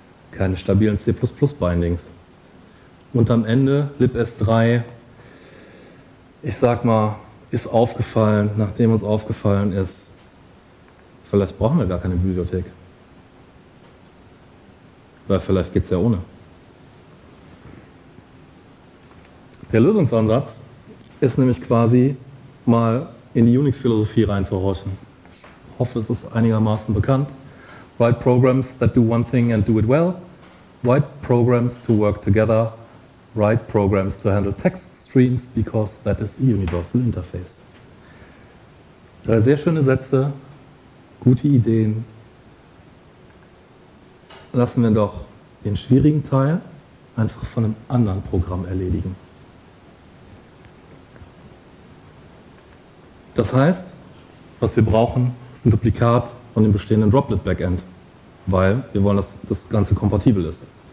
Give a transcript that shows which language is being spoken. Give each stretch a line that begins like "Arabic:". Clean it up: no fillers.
German: Keine stabilen C++-Bindings. Und am Ende libs3, ich sag mal, ist aufgefallen, nachdem uns aufgefallen ist, vielleicht brauchen wir gar keine Bibliothek. Weil vielleicht geht es ja ohne. Der Lösungsansatz ist nämlich quasi, mal in die Unix-Philosophie reinzuhorchen. Ich hoffe, es ist einigermaßen bekannt.
English: Write programs that do one thing and do it well. Write programs to work together. Write programs to handle text streams because that is a universal interface.
German: Drei sehr schöne Sätze, gute Ideen. Lassen wir doch den schwierigen Teil einfach von einem anderen Programm erledigen. Das heißt, was wir brauchen, ist ein Duplikat von dem bestehenden Droplet-Backend, weil wir wollen, dass das Ganze kompatibel ist.